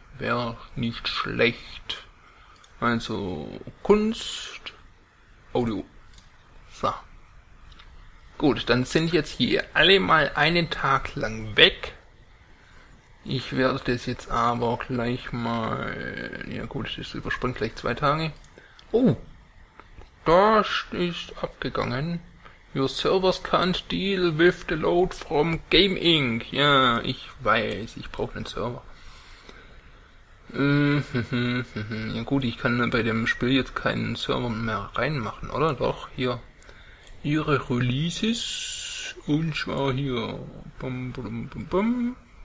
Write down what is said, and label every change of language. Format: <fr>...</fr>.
<de>Wäre nicht schlecht. Also Kunst, Audio. So. Gut, dann sind jetzt hier alle mal einen Tag lang weg. Ich werde das jetzt aber gleich mal. Ja gut, das überspringt gleich 2 Tage. Oh! Das ist abgegangen.</de> <en>Your servers can't deal with the load from Game Inc.</en> <de>Ja, ich weiß, ich brauche einen Server. Ja gut, ich kann bei dem Spiel jetzt keinen Server mehr reinmachen, oder? Doch, hier. Ihre Releases. Und zwar hier. Bum, bum, bum, bum.</de>